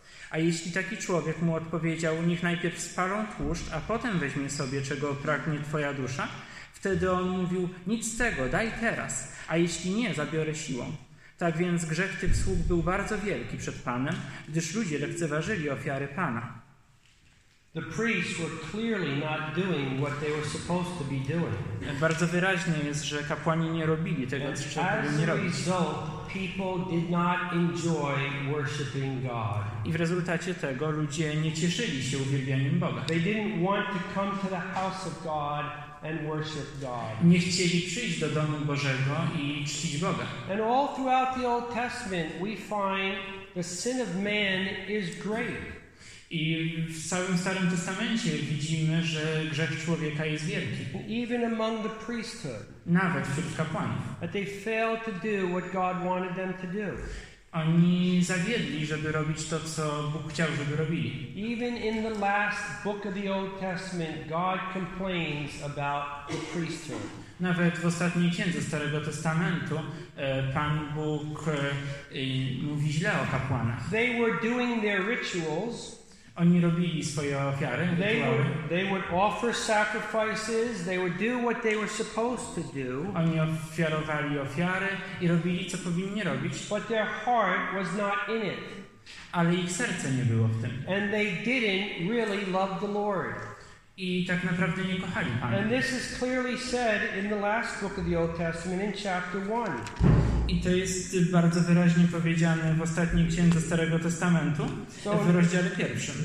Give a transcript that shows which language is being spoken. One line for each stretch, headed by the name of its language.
Polish: A jeśli taki człowiek mu odpowiedział: niech najpierw spalą tłuszcz, a potem weźmie sobie, czego pragnie twoja dusza, wtedy on mówił: nic z tego, daj teraz, a jeśli nie, zabiorę siłą. Tak więc grzech tych sług był bardzo wielki przed Panem, gdyż ludzie lekceważyli ofiary Pana.
English: The priests were clearly not doing what they were supposed to be doing.
Polish: Bardzo wyraźne jest, że kapłani nie robili tego, co powinni nie robić.
English: As a result, people did not enjoy worshiping God.
Polish: I w rezultacie tego ludzie nie cieszyli się uwielbianiem Boga.
English: They didn't want to come to the house of God and worship God.
Polish: Nie chcieli przyjść do domu Bożego i czcić Boga.
English: And all throughout the Old Testament, we find the sin of man is great.
Polish: I w całym Starym Testamencie widzimy, że grzech człowieka jest wielki.
English: Even among the priesthood.
Polish: Nawet wśród kapłanów.
English: But they failed to do what God wanted them to do.
Polish: Oni zawiedli, żeby robić to, co Bóg chciał, żeby robili.
English: Even in the last book of the Old Testament, God complains about the priesthood.
Polish: Nawet w ostatniej księdze Starego Testamentu Pan Bóg mówi źle o kapłanach.
English: They were doing their rituals.
Polish: Oni robili swoje ofiary,
English: they would offer sacrifices, they would do what they were supposed to do.
Polish: Oni ofiarowali ofiary i robili, co powinni robić.
English: But their heart was not in it.
Polish: Ale ich serce nie było w tym.
English: And they didn't really love the Lord.
Polish: I tak naprawdę nie kochali Pana.
English: And this is clearly said in the last book of the Old Testament in chapter 1.
Polish: I to jest bardzo wyraźnie powiedziane w ostatniej księdze Starego Testamentu, so w rozdziale pierwszym.